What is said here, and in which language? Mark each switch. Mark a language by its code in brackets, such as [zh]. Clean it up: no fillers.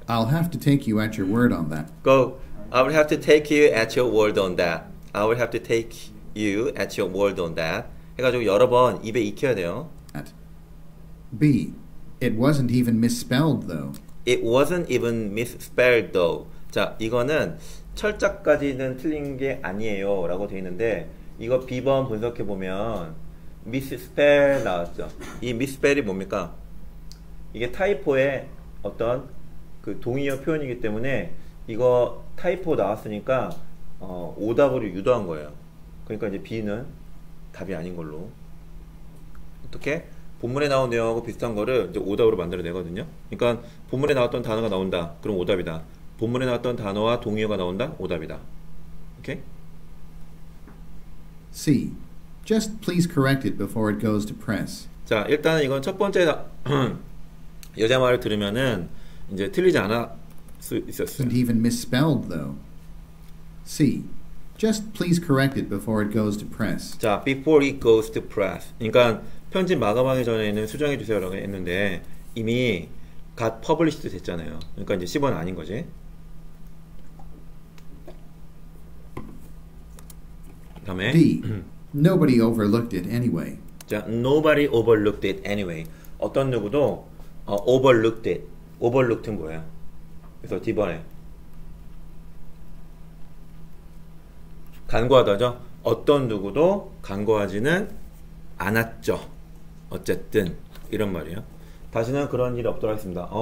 [en] I'll have to take you at your word on that. Go. I will have to take you at your word on that. I will have to take you at your word on that. [ko] 해가지고 여러 번 입에 익혀야 돼요. [en] At. B. It wasn't even misspelled though. It wasn't even misspelled though. [ko] 자, 이거는 철자까지는 틀린 게 아니에요 라고 되어 있는데 이거 B번 분석해 보면 misspell 나왔죠. 이 misspell이 뭡니까? 이게 타이포의 어떤 그 동의어 표현이기 때문에 이거 타이포 나왔으니까 오답으로 유도한 거예요. 그러니까 이제 B는 답이 아닌 걸로. 어떻게? 본문에 나온 내용하고 비슷한 거를 이제 오답으로 만들어내거든요. 그러니까 본문에 나왔던 단어가 나온다. 그럼 오답이다. 본문에 나왔던 단어와 동의어가 나온다. 오답이다. 오케이? [en] C. Just please correct it before it goes to press. [ko] 자, 일단은 이건 첫 번째 여자 말을 들으면은 이제 틀리지 않았을 수 있었어요. [en] Isn't even misspelled though. C. Just please correct it before it goes to press. 자, before it goes to press. [ko] 그러니까 편집 마감하기 전에는 수정해 주세요라고 했는데 이미 [en] got published [ko] 됐잖아요. 그러니까 이제 10번 아닌 거지. 다음에 [en] D. Nobody overlooked it anyway. 자, nobody overlooked it anyway. [ko] 어떤 누구도 [en] overlooked it. [ko] overlooked는 뭐야? 그래서 D번에 간과하다죠. 어떤 누구도 간과하지는 않았죠. 어쨌든 이런 말이에요. 다시는 그런 일이 없도록 하겠습니다.